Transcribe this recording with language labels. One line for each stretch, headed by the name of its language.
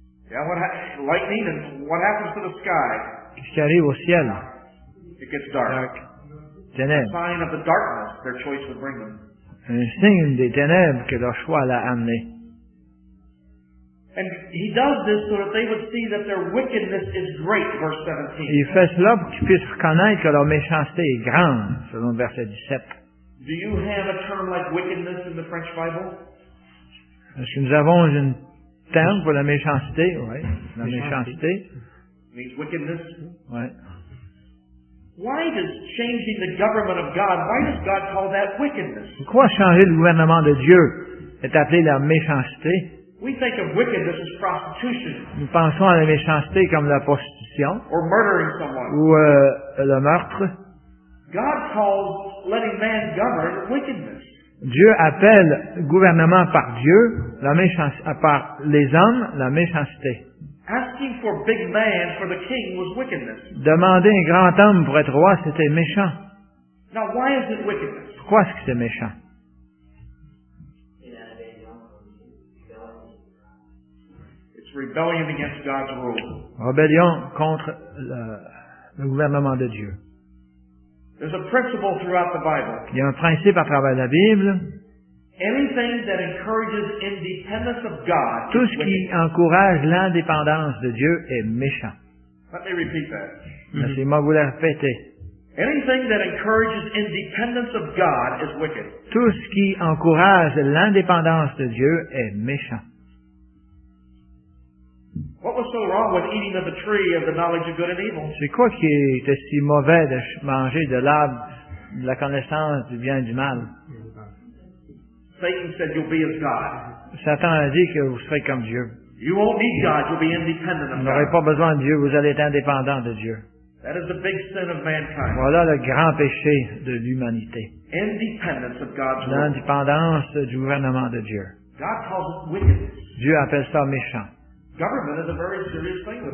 English: Yeah, lightning and what happens to the sky?
French: Qu'est-ce qui arrive au ciel?
English: It gets dark. Dark.
French: Ténèbres.
English: A sign of the darkness their choice would bring them.
French: Un signe des ténèbres que leur choix l'a amené.
English: And he does this so that they would see that their wickedness is great, verse 17.
French: Il fait cela pour qu'ils puissent reconnaître que leur méchanceté est grande, selon le verset 17.
English: Do you have a term like wickedness in the French Bible?
French: Est-ce que nous avons un terme pour la méchanceté? Oui, la méchanceté.
English: Means wickedness?
French: Oui.
English: Why does changing the government of God, why does God call that wickedness?
French: Pourquoi changer le gouvernement de Dieu est appelé la méchanceté?
English: We think of wickedness as prostitution.
French: Nous pensons à la méchanceté comme la prostitution.
English: Or murdering someone.
French: Ou le meurtre.
English: God calls letting man govern wickedness.
French: Dieu appelle gouvernement par Dieu, la méchanceté, par les hommes, la méchanceté.
English: Asking for big man for the king was wickedness.
French: Demander un grand homme pour être roi, c'était méchant.
English: Now, why is it wickedness?
French: Pourquoi est-ce que c'est méchant?
English: It's rebellion against God's rule.
French: Rébellion contre le gouvernement de Dieu.
English: There's a principle throughout the Bible.
French: Il y a un principe à travers la Bible.
English: Anything that encourages independence of God.
French: Tout ce qui encourage l'indépendance de Dieu est méchant.
English: Let me repeat that.
French: Laissez-moi vous la répéter.
English: Anything that encourages independence of God is wicked.
French: Tout ce qui encourage l'indépendance de Dieu est méchant.
English: What was so wrong with eating of the tree of the knowledge of good and evil?
French: C'est quoi qui était si mauvais de manger de l'arbre de la connaissance du bien et du mal?
English: Satan said you'll be as God.
French: Satan a dit que vous serez comme Dieu.
English: You won't need God, you'll be independent of God.
French: Vous n'aurez pas besoin de Dieu, vous allez être indépendant de Dieu.
English: That is the big sin of mankind.
French: Voilà le grand péché de l'humanité.
English: Independence of God's rule.
French: L'indépendance du gouvernement de Dieu.
English: God calls it wickedness.
French: Dieu appelle ça méchant.
English: Government is a very serious thing with